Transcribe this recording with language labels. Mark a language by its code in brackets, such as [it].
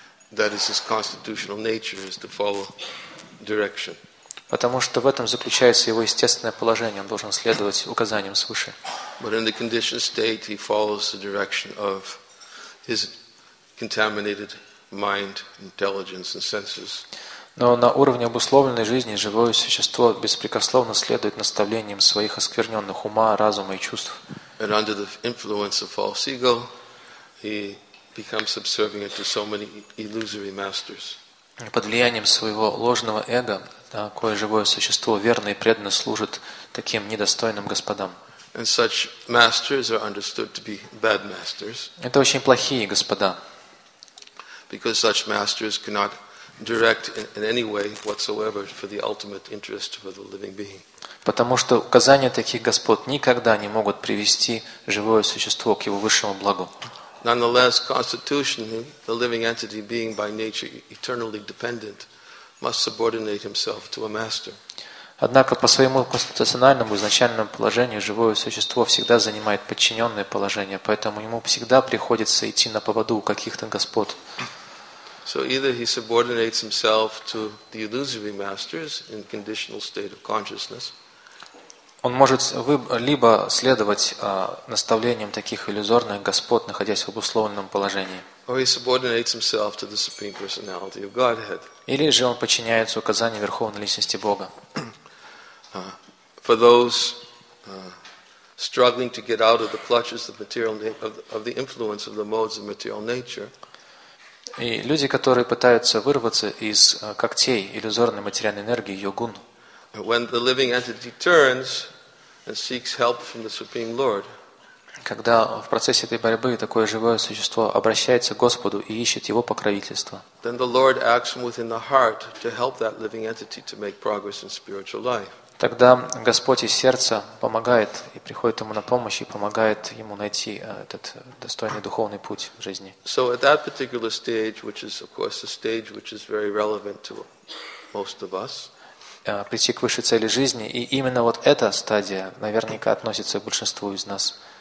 [en] That is his constitutional nature, is to follow direction. [ru] Потому что в этом заключается его естественное положение, он должен следовать указаниям свыше. [en] But in the conditioned state, he follows the direction of his contaminated mind, intelligence, and senses. [ru] Но на уровне обусловленной жизни живое существо беспрекословно следует наставлениям своих оскверненных ума, разума и чувств. [en] And under the influence of false ego, he becomes subservient to so many illusory masters. [ru] Под влиянием своего ложного эго такое живое существо верно и преданно служит таким недостойным господам. [en] And such masters are understood to be bad masters. [ru] Это очень плохие господа. [en] Because such masters cannot direct in any way whatsoever for the ultimate interest of the living being. [ru] Потому что указания таких господ никогда не могут привести живое существо к его высшему благу. [en] Nonetheless, constitutionally, the living entity, being by nature eternally dependent, must subordinate himself to a master. [ru] Однако по своему конституциональному изначальному положению живое существо всегда занимает подчиненное положение, поэтому ему всегда приходится идти на поводу у каких-то господ. [en] So either he subordinates himself to the illusory masters in conditional state of consciousness. [ru] Он может либо следовать наставлениям таких иллюзорных господ, находясь в обусловленном положении. Или же он подчиняется указаниям Верховной Личности Бога. [en] For those struggling to get out of the clutches of material of the influence of the modes of material nature. [ru] И люди, которые пытаются вырваться из когтей иллюзорной материальной энергии йогун. [en] When the living entity turns and seeks help from the Supreme Lord. [ru] Когда в процессе этой борьбы такое живое существо обращается к Господу и ищет его покровительство. [en] Then the Lord acts from within the heart to help that living entity to make progress in spiritual life. [ru] Тогда Господь из сердца помогает и приходит ему на помощь и помогает ему найти этот достойный духовный путь в жизни. [en] So at that particular stage, which is of course a stage which is very relevant to most of us, [ru] прийти к высшей цели жизни, и именно вот эта стадия наверняка относится к большинству из нас.